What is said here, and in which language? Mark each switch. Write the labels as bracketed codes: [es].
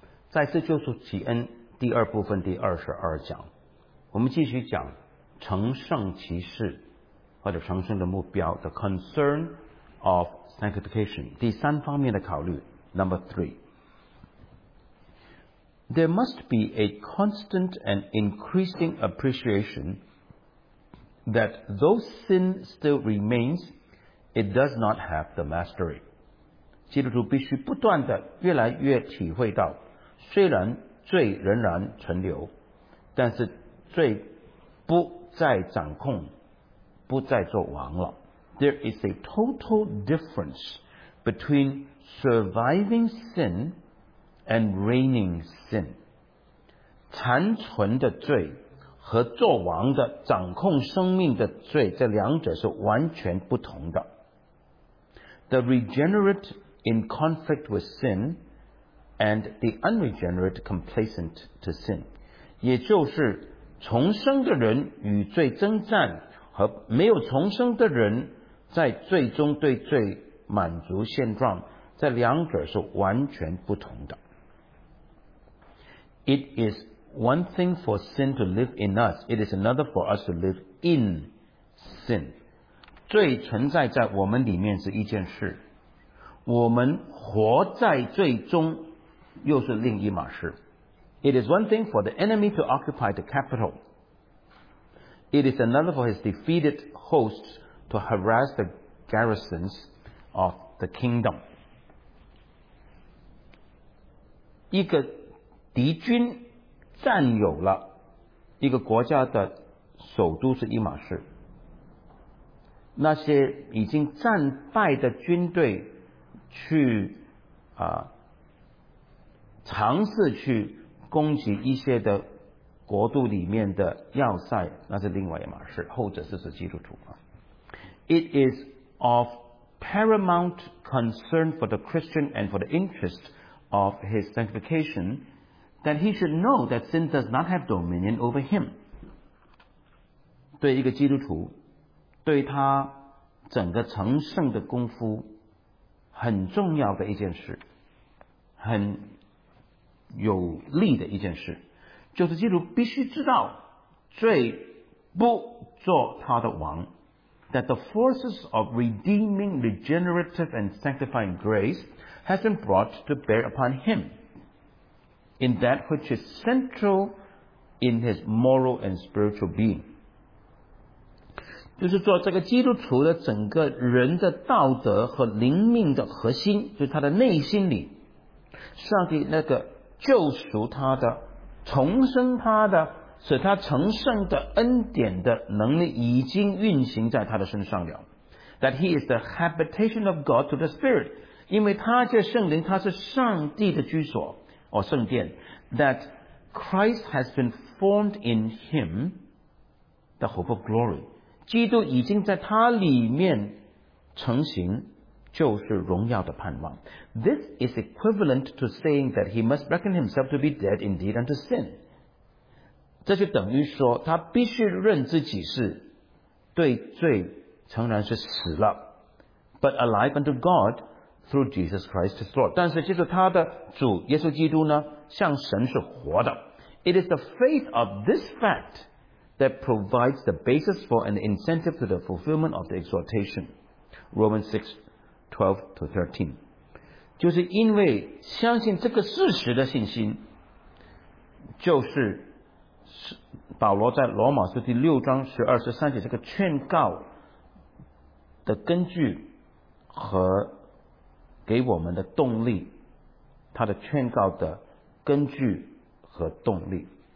[zh] 再次救赎启恩第二部分第22讲，我们继续讲成圣启示或者成圣的目标 [en] The Concern of Sanctification， [zh] 第三方面的考虑 [en] Number 3。 There must be a constant and increasing appreciation that though sin still remains, it does not have the mastery. [zh] 基督徒必须不断地越来越体会到，虽然罪仍然存留，但是罪不再掌控，不再做王了。 [en] There is a total difference between surviving sin and reigning sin. [zh] 残存的罪和作王的掌控生命的罪，这两者是完全不同的。 [en] The regenerate in conflict with sin and the unregenerate complacent to sin. [zh] 也就是重生的人与罪征战，和没有重生的人在最终对罪满足现状，这两者是完全不同的。 [en] It is one thing for sin to live in us. It is another for us to live in sin. [zh] 罪存在在我们里面是一件事，我们活在罪中又是另一码事。 [en] It is one thing for the enemy to occupy the capital. It is another for his defeated hosts to harass the garrisons of the kingdom. [zh] 一个敌军占有了一个国家的首都是一码事，那些已经战败的军队去尝试去攻击一些的国度里面的要塞，那是另外一码事，后者是指基督徒。 [en] It is of paramount concern for the Christian and for the interest of his sanctificationthat he should know that sin does not have dominion over him. [zh] 对一个基督徒，对他整个成圣的功夫很重要的一件事，很有利的一件事，就是基督徒必须知道罪不做他的王。 [en] That the forces of redeeming, regenerative and sanctifying grace has been brought to bear upon him. In that which is central in his moral and spiritual being. [zh] 就是做这个基督徒的整个人的道德和灵命的核心，就是他的内心里，上帝那个救赎他的、重生他的、使他成圣的恩典的能力已经运行在他的身上了。 [en] That he is the habitation of God to the Spirit. [zh] 因为他这圣灵他是上帝的居所。 [en] Or [zh] 圣殿, [en] that Christ has been formed in him, the hope of glory. [zh] 基督已经在他里面成形，就是荣耀的盼望。 [en] This is equivalent to saying that he must reckon himself to be dead indeed unto sin. [zh] 这就等于说他必须认自己是对罪诚然是死了， [en] but alive unto God,through Jesus Christ his Lord. [zh] 但是就是他的主耶稣基督呢，向神是活的。 [en] It is the faith of this fact that provides the basis for an incentive to the fulfillment of the exhortation. Romans 6:12-13. [zh] 就是因为相信这个事实的信心，就是保罗在罗马书第六章十二十三节这个劝告的根据和给我们的动力，他的劝告的根据和动力。